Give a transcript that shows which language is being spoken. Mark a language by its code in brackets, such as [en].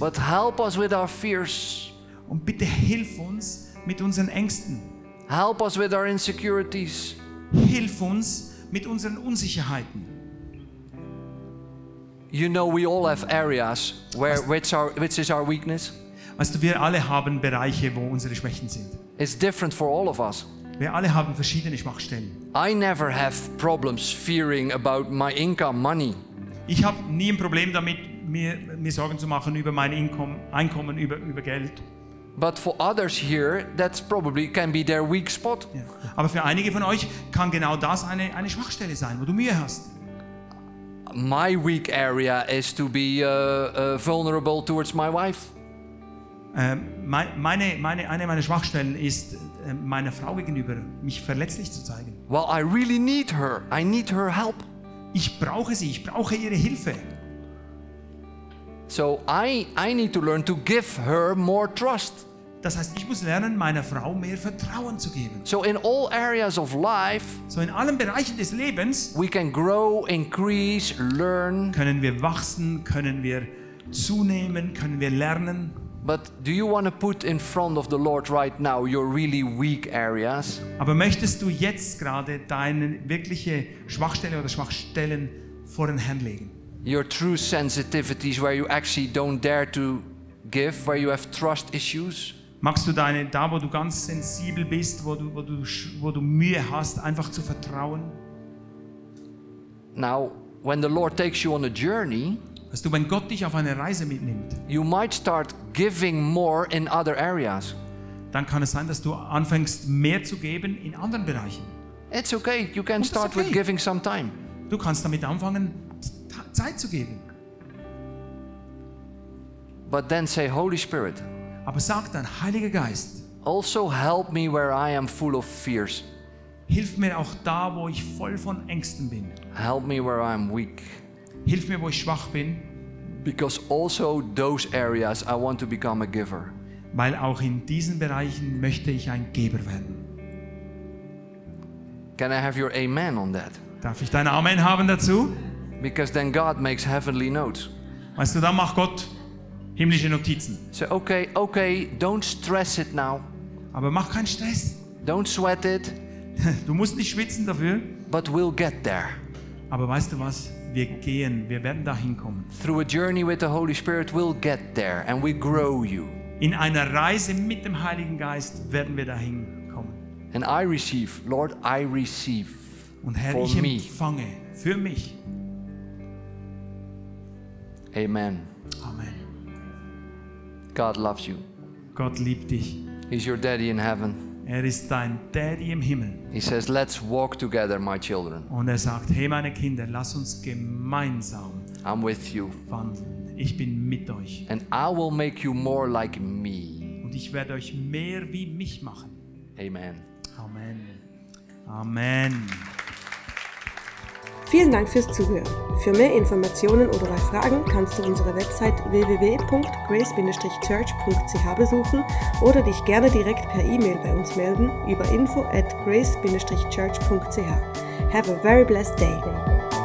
[en] But help us with our fears. [de] Und bitte hilf uns mit unseren Ängsten. [en] Help us with our insecurities. [de] Hilf uns mit unseren Unsicherheiten. [en] You know, we all have areas where which is our weakness. [de] Weißt du, wir alle haben Bereiche, wo unsere Schwächen sind. [en] It's different for all of us. [de] Wir alle haben verschiedene Schwachstellen. [en] I never have problems fearing about my income, money. [de] Ich habe nie ein Problem damit, mir Sorgen zu machen über mein Einkommen, über Geld. [en] But for others here, that's probably can be their weak spot. [de] Ja. Aber für einige von euch kann genau das eine Schwachstelle sein, wo du Mühe hast. [en] My weak area is to be vulnerable towards my wife. [de] Meine Schwachstellen ist meiner Frau gegenüber, mich verletzlich zu zeigen. [en] Well, I really need her. I need her help. [de] Ich brauche sie. Ich brauche ihre Hilfe. [en] So I need to learn to give her more trust. [de] Das heißt, ich muss lernen, meiner Frau mehr Vertrauen zu geben. [en] So in all areas of life, [de] so in allen Bereichen des Lebens, [en] we can grow, increase, learn. [de] Können wir wachsen, können wir zunehmen, können wir lernen. [en] But do you want to put in front of the Lord right now your really weak areas? [de] Aber möchtest du jetzt gerade deine wirkliche Schwachstelle oder Schwachstellen vor den Herrn legen? [en] Your true sensitivities, where you actually don't dare to give, where you have trust issues. [de] Magst du deine, da wo du ganz sensibel bist, wo du Mühe hast, einfach zu vertrauen? [en] Now, when the Lord takes you on a journey, [de] weißt du, wenn Gott dich auf eine Reise mitnimmt, [en] you might start giving more in other areas. [de] Dann kann es sein, dass du anfängst, mehr zu geben in anderen Bereichen. [en] It's okay. You can start with giving some time. [de] Du kannst damit anfangen, Zeit zu geben. [en] But then say, Holy Spirit. [de] Aber sag dann, Heiliger Geist. [en] Also help me where I am full of fears. [de] Hilf mir auch da, wo ich voll von Ängsten bin. [en] Help me where I am weak. [de] Hilf mir, wo ich schwach bin. [en] Because also those areas I want to become a giver. [de] Weil auch in diesen Bereichen möchte ich ein Geber werden. [en] Can I have your amen on that? [de] Darf ich dein Amen haben dazu? [en] Because then God makes heavenly notes. [de] Weißt du, dann macht Gott himmlische Notizen. [en] So okay, don't stress it now. [de] Aber mach keinen Stress. [en] Don't sweat it. [de] Du musst nicht schwitzen dafür. [en] But we'll get there. [de] Aber weißt du was? Wir gehen, wir werden dahin kommen. [en] Through a journey with the Holy Spirit, we'll get there and we grow you. [de] In einer Reise mit dem Heiligen Geist werden wir dahin kommen. [en] And I receive, Lord, I receive. [de] Und Herr, [en] for [de] ich empfange [en] me. [de] Für mich. [en] Amen. [de] Amen. [en] God loves you. [de] Gott liebt dich. [en] He's your daddy in heaven. [de] Er ist dein Daddy im Himmel. [en] He says, "Let's walk together, my children." [de] Und er sagt, hey meine Kinder, lass uns gemeinsam. [en] I'm with you. [de] Wandeln. Ich bin mit euch. [en] And I will make you more like me. [de] Und ich werde euch mehr wie mich machen. [en] Amen. [de] Amen. Amen. Vielen Dank fürs Zuhören. Für mehr Informationen oder bei Fragen kannst du unsere Website www.grace-church.ch besuchen oder dich gerne direkt per E-Mail bei uns melden über info@grace-church.ch. [en] Have a very blessed day.